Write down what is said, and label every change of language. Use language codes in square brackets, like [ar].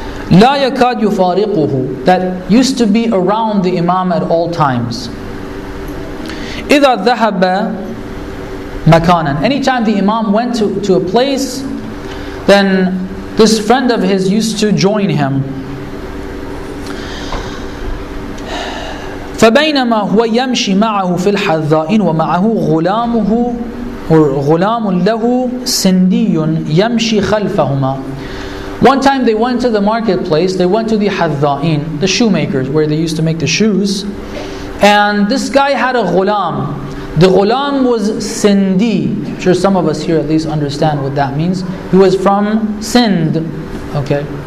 [en] La yakad yufariquhu, that used to be around the Imam at all times. Idha dhahaba makanan, anytime the Imam went to a place, then this friend of his used to join him. [ar] فبينما هو يمشي معه في الحذائين ومعه غلامه غلام له سندي يمشي خلفهما. [en] One time they went to the marketplace, they went to the حذائين, the shoemakers, where they used to make the shoes. And this guy had a غلام. The غلام was سندي. I'm sure some of us here at least understand what that means. He was from Sind. Okay.